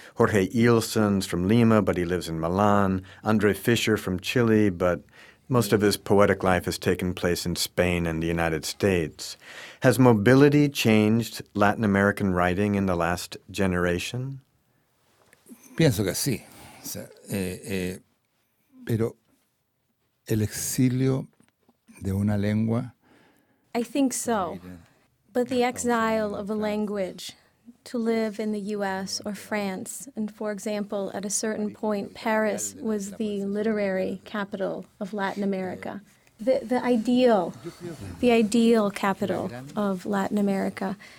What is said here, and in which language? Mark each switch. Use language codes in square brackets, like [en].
[en] Jorge Ilson's from Lima, but he lives in Milan. Andre Fisher from Chile, but most of his poetic life has taken place in Spain and the United States. Has mobility changed Latin American writing in the last generation? [es] Pienso que sí. O sea, pero el exilio de una lengua. [en] I think so. But the exile of a language, to live in the U.S. or France, and for example, at a certain point, Paris was the literary capital of Latin America. The ideal capital of Latin America.